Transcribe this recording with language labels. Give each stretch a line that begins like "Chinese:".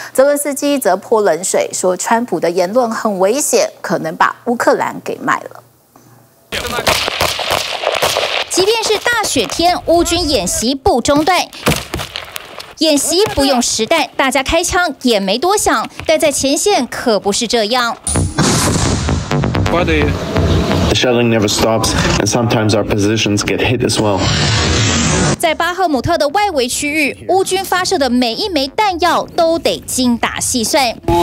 Chinese: 泽伦斯基则泼冷水说，川普的言论很危险，可能把乌克兰给卖了。即便是大雪天，乌军演习不中断。演习不用实弹，大家开枪也没多想，但在前线可不是这样。
English: The shelling never stops, and sometimes our positions get hit as well.
Chinese: 在巴赫姆特的外围区域，乌军发射的每一枚弹药都得精打细算。